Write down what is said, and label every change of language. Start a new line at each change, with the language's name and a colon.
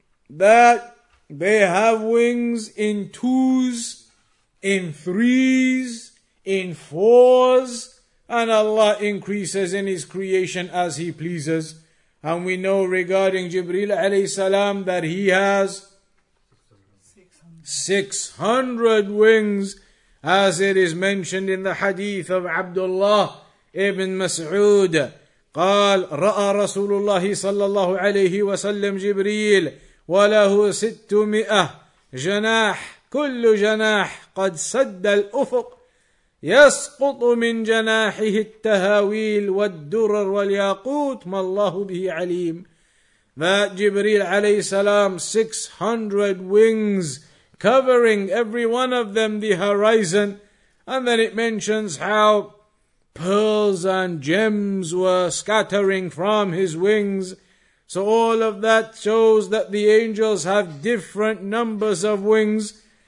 English: That they have wings in twos, in threes, in fours, and Allah increases in His creation as He pleases. And we know regarding Jibreel alayhi salam that he has 600 wings, as it is mentioned in the hadith of Abdullah ibn Mas'ud.
Arabic: قال رأى رسول الله صلى الله عليه وسلم جبريل وله 600 جناح كل جناح قد سد الأفق يسقط من جناحه التهاويل والدرر والياقوت ما الله به عليم.
English: That Jibreel alayhi salam, 600 wings covering every one of them the horizon. And then it mentions how pearls and gems were scattering from his wings. So all of that shows that the angels have different numbers of wings.